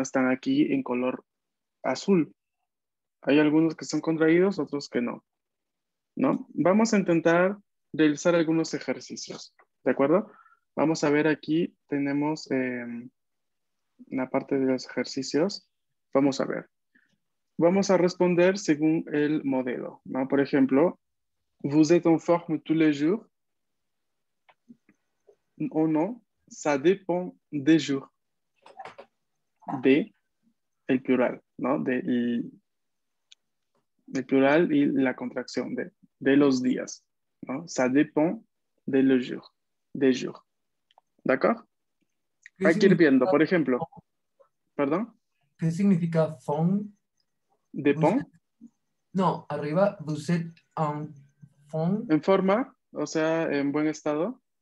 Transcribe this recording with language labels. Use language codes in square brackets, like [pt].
[es] Están aquí en color azul. Hay algunos que son contraídos, otros que no, ¿no? Vamos a intentar realizar algunos ejercicios, ¿de acuerdo? Vamos a ver aquí, tenemos la parte de los ejercicios, vamos a ver. Vamos a responder según el modelo, ¿no? Por ejemplo, [fr] vous êtes en forme tous les jours [es] o no, [fr] ça dépend des jours. [es] De el plural, ¿no? De plural y la contracción de los días, ¿no? [fr] Ça dépend [es] de los [fr] jours, des jours. ¿D'accord? [es] Hay que ir viendo, por ejemplo. ¿Perdón? ¿Qué significa fond? [fr] ¿Dépend? [es] No, arriba, [fr] vous êtes en fond. [es] En forma, o sea, en buen estado.